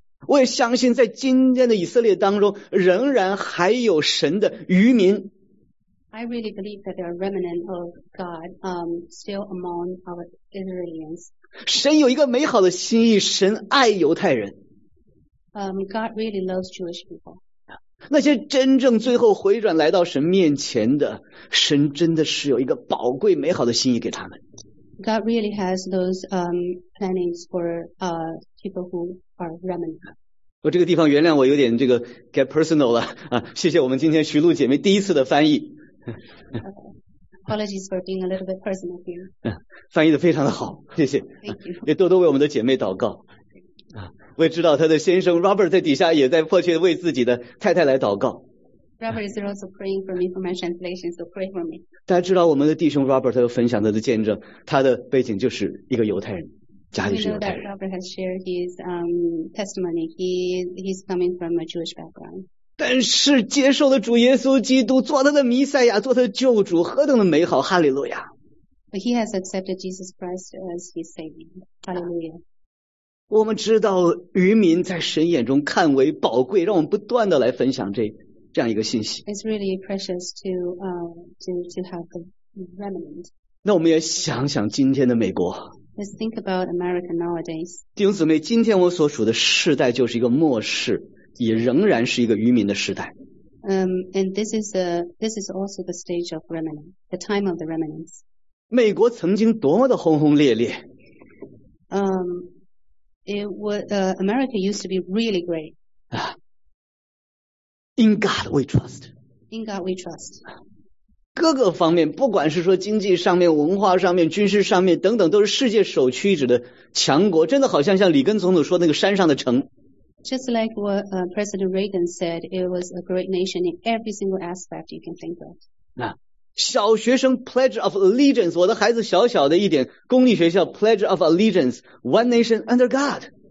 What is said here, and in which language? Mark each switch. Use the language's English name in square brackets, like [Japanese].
[Chinese] 我也相信在今天的以色列当中仍然还有神的余民。 [English] I really believe that there are remnants of God still among our Israelites. [Chinese] 神有一个美好的心意，神爱犹太人。 [English] God really loves Jewish people. [Chinese] 那些真正最后回转来到神面前的，神真的是有一个宝贵美好的心意给他们。 [English] God really has those plannings for people who are remnant. [Chinese] 我这个地方原谅我有点这个 [English] get personal [Chinese] 了啊，谢谢我们今天徐璐姐妹第一次的翻译。 [English] Apologies for being a little bit personal here. [Chinese] 翻译的非常的好，谢谢。 [English] Thank you. [Chinese] 也多多为我们的姐妹祷告。我也知道他的先生 Robert 在底下也在迫切为自己的太太来祷告。 [English] Robert is also praying for me for my translation, so pray for me. [Chinese] 大家知道我们的弟兄 Robert 有分享他的见证，他的背景就是一个犹太人，家里是犹太人。 [English] We know that Robert has shared his testimony. He's coming from a Jewish background. [Chinese] 但是接受了主耶稣基督，做他的弥赛亚，做他的救主，何等的美好，哈利路亚。 [English] But he has accepted Jesus Christ as his savior. Hallelujah. [Chinese] 我们知道渔民在神眼中看为宝贵，让我们不断的来分享这样一个信息。 [English] It's really precious to have the remnant. [Chinese] 那我们也想想今天的美国。 [English] Let's think about America nowadays. [Chinese] 弟兄姊妹，今天我所处的世代就是一个末世，也仍然是一个渔民的时代。 [English] And this is also the stage of remnant, the time of the remnants. [Chinese] 美国曾经多么的轰轰烈烈。 [English] America used to be really great. In God we trust. In God we trust. [Chinese] 各个方面，不管是说经济上面、文化上面、军事上面等等，都是世界首屈一指的强国。真的好像里根总统说那个山上的城。 [English] Just like what President Reagan said, it was a great nation in every single aspect you can think of. [Chinese] 小学生 [English] Pledge of Allegiance, [Chinese] 我的孩子小小的一点公立学校 Pledge of Allegiance, [English] One Nation Under God.